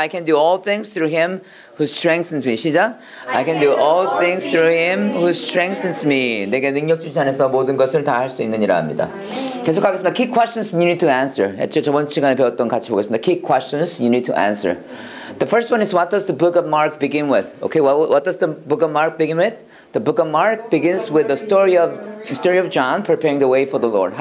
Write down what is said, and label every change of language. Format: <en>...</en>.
<en>I can do all things through him who strengthens me.</en> <ko>시작.</ko> <en>I can do all things through him who strengthens me.</en> <ko>내게 능력 주신 안에서 모든 것을 다 할 수 있느니라 합니다. 계속하겠습니다.</ko> <en>Key questions you need to answer.</en> <ko>저번 시간에 배웠던 같이 보겠습니다.</ko> <en>Key questions you need to answer. The first one is what does the book of Mark begin with? Okay, what does the book of Mark begin with? The book of Mark begins with the story of John preparing the way for the Lord.</en>